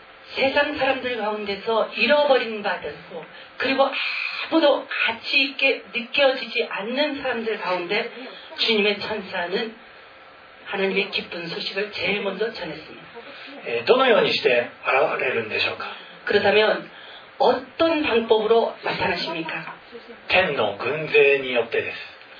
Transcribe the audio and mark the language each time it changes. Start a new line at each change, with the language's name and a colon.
Korean: 世間사람들가운데서잃어버린바들고그리고아무도가치있게느껴지지않는사람들가운데주님의천사는하나님의기쁜소식을제일먼저전했습니다。
Japanese: どのようにして現れるんでしょうか。
Korean: 그렇다면어떤방법으로나타나십니까。
Japanese: 天の軍勢によってです。